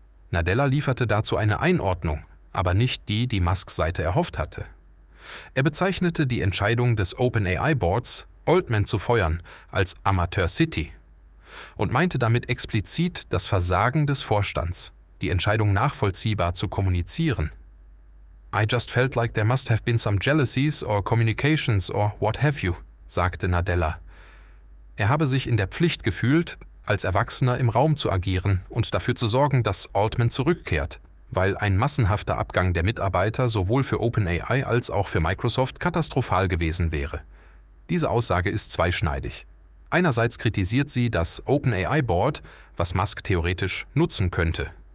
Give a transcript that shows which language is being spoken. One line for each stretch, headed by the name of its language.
German: Nadella lieferte dazu eine Einordnung, aber nicht die, die Musks Seite erhofft hatte. Er bezeichnete die Entscheidung des OpenAI-Boards, Altman zu feuern, als Amateur City und meinte damit explizit das Versagen des Vorstands, die Entscheidung nachvollziehbar zu kommunizieren.
English: I just felt like there must have been some jealousies or communications or what have you,
German: sagte Nadella. Er habe sich in der Pflicht gefühlt, als Erwachsener im Raum zu agieren und dafür zu sorgen, dass Altman zurückkehrt, weil ein massenhafter Abgang der Mitarbeiter sowohl für OpenAI als auch für Microsoft katastrophal gewesen wäre. Diese Aussage ist zweischneidig. Einerseits kritisiert sie das OpenAI-Board, was Musk theoretisch nutzen könnte.